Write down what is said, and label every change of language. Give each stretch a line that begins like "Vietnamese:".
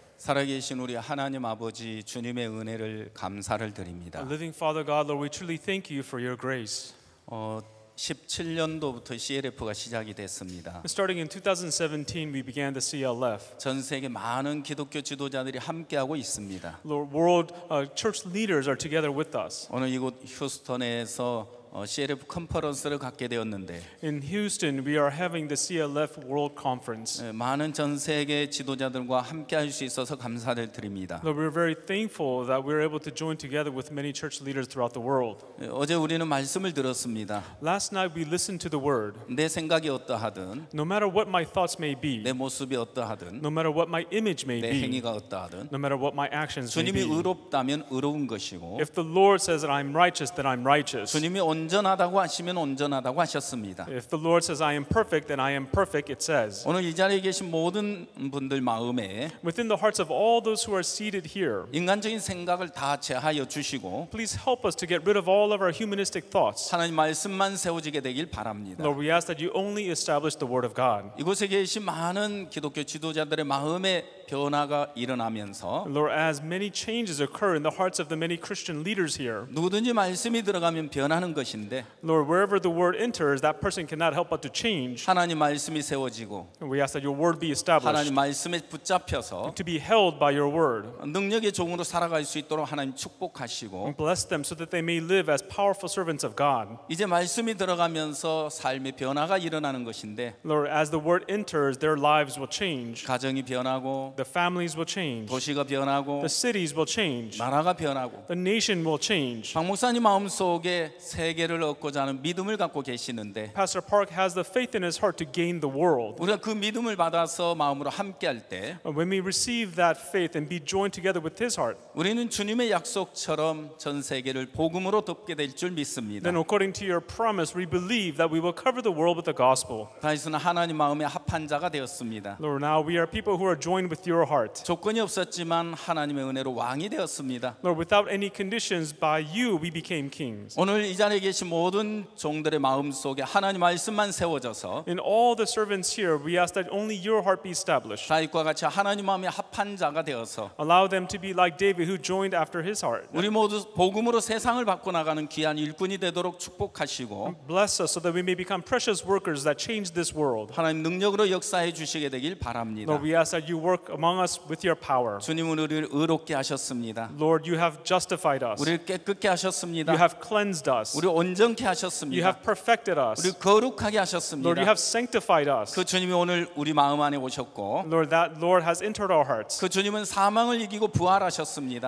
Korean: 살아계신 우리 하나님 아버지 주님의 은혜를 감사를 드립니다.
English: Living Father God, Lord, we truly thank you for your grace.
Korean: 17년도부터 CLF가 시작이 됐습니다.
English: Starting in 2017, we began the CLF.
Korean: 전 세계 많은 기독교 지도자들이 함께하고 있습니다.
English: Lord, world church leaders are together with us.
Korean: 오늘 이곳 휴스턴에서 CLF 컨퍼런스를 갖게 되었는데
English: In Houston, we are having the CLF World Conference.
Korean: 많은 전 세계 지도자들과 함께할 수 있어서 감사를 드립니다.
English: Lord, we are very thankful that we are able to join together with many church leaders throughout the world.
Korean: 어제 우리는 말씀을 들었습니다.
English: Last night, we listened to the word.
Korean: 내 생각이 어떠하든
English: No matter what my thoughts may be
Korean: 내 모습이 어떠하든
English: No matter what my image may be
Korean: 내 행위가 어떠하든
English: No matter what my actions may be
Korean: 주님이 의롭다면 의로운 것이고
English: If the Lord says that I'm righteous, then I'm righteous.
Korean: 주님이 온전하다고 하시면 온전하다고 하셨습니다.
English: If the Lord says I am perfect, then I am perfect, it says.
Korean: 오늘 이 자리에 계신 모든 분들 마음에
English: Within the hearts of all those who are seated here.
Korean: 인간적인 생각을 다 제하여 주시고
English: Please help us to get rid of all of our humanistic thoughts.
Korean: 하나님 말씀만 세워지게 되길 바랍니다.
English: Lord, we ask that you only establish the word of God.
Korean: 이곳에 계신 많은 기독교 지도자들의 마음에 변화가 일어나면서
English: Lord, as many changes occur in the hearts of the many Christian leaders here.
Korean: 누구든지 말씀이 들어가면 변하는 것인데
English: Lord, wherever the word enters, that person cannot help but to change.
Korean: 하나님 말씀이 세워지고
English: We ask that your word be established.
Korean: 하나님 말씀에 붙잡혀서
English: To be held by your word.
Korean: 능력의 종으로 살아갈 수 있도록 하나님 축복하시고
English: And bless them so that they may live as powerful servants of God.
Korean: 이제 말씀이 들어가면서 삶의 변화가 일어나는 것인데
English: Lord, as the word enters, their lives will change.
Korean: 가정이 변하고
English: The families will change.
Korean: 도시가 변하고
English: The cities will change.
Korean: 나라가 변하고
English: The nation will change.
Korean: 박 목사님 마음속에 세계를 얻고자 하는 믿음을 갖고 계시는데
English: Pastor Park has the faith in his heart to gain the world.
Korean: 우리가 그 믿음을 받아서 마음으로 함께할 때
English: When we receive that faith and be joined together with his heart.
Korean: 우리는 주님의 약속처럼 전 세계를 복음으로 덮게 될 줄 믿습니다.
English: Then according to your promise, we believe that we will cover the world with the gospel.
Korean: 다시는 하나님 마음에 합한 자가 되었습니다.
English: Lord, now we are people who are joined with your heart.
Korean: 조건이 없었지만 하나님의 은혜로 왕이 되었습니다.
English: Lord, without any conditions, by you we became kings.
Korean: 오늘 이 자리에 계신 모든 종들의 마음 속에 하나님 말씀만 세워져서
English: In all the servants here, we ask that only your heart be established.
Korean: 다윗과 같이 하나님 마음에 합한 자가 되어서
English: Allow them to be like David who joined after his heart.
Korean: 우리 모두 복음으로 세상을 바꾸어 나가는 귀한 일꾼이 되도록 축복하시고
English: Bless us so that we may become precious workers that change this world.
Korean: 하나님 능력으로 역사해 주시게 되길 바랍니다.
English: Lord, we ask that you work among us with your power.
Korean: 주님은 우리를 의롭게 하셨습니다.
English: Lord, you have justified us.
Korean: 우리를 깨끗게 하셨습니다.
English: You have cleansed us.
Korean: 우리 온전케 하셨습니다.
English: You have perfected us.
Korean: 우리 거룩하게 하셨습니다.
English: Lord, you have sanctified us.
Korean: 그 주님이 오늘 우리 마음 안에 오셨고
English: Lord, that Lord has entered our hearts.
Korean: 그 주님은 사망을 이기고 부활하셨습니다.